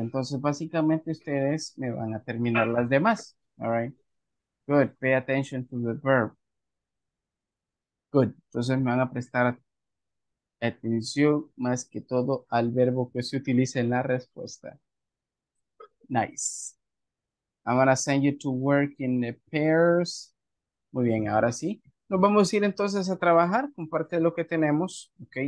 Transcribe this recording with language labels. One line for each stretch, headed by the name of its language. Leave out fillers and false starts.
Spanish: Entonces, básicamente, ustedes me van a terminar las demás.
English: All right. Good. Pay attention to the verb. Good.
Spanish: Entonces, me van a prestar atención más que todo al verbo que se utiliza en la respuesta.
English: Nice. I'm going to send you to work in the pairs.
Spanish: Muy bien, ahora sí. Nos vamos a ir entonces a trabajar con parte de lo que tenemos, ¿ok?